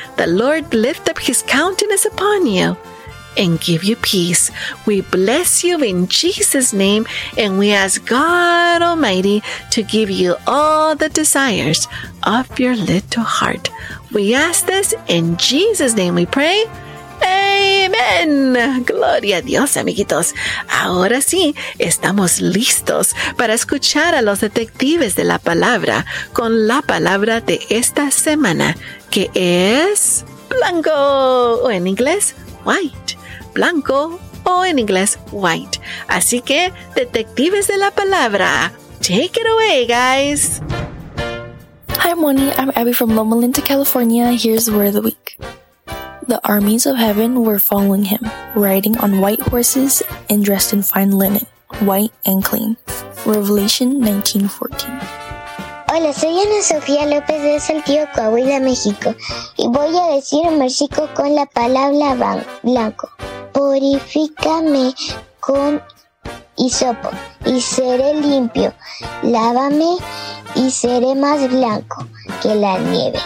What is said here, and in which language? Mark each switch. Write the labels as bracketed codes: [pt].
[en] The Lord lift up His countenance upon you and give you peace. We bless you in Jesus' name, and we ask God Almighty to give you all the desires of your little heart. We ask this in Jesus' name we pray. [es] Amen. Gloria a Dios, amiguitos. Ahora sí, estamos listos para escuchar a los detectives de la palabra con la palabra de esta semana, que es blanco, o en inglés, white. Blanco o en inglés white. Así que, detectives de la palabra, [en] take it away, guys. Hi, Moni. I'm Abby from Loma Linda, California. Here's the word of the week. The armies of heaven were following him, riding on white horses and dressed in fine linen, white and clean. Revelation 19:14. [es] Hola, soy Ana Sofía López de Saltillo, Coahuila, México. Y voy a decir un versículo con la palabra blanco. Purifícame con hisopo y seré limpio. Lávame y seré más blanco que la nieve.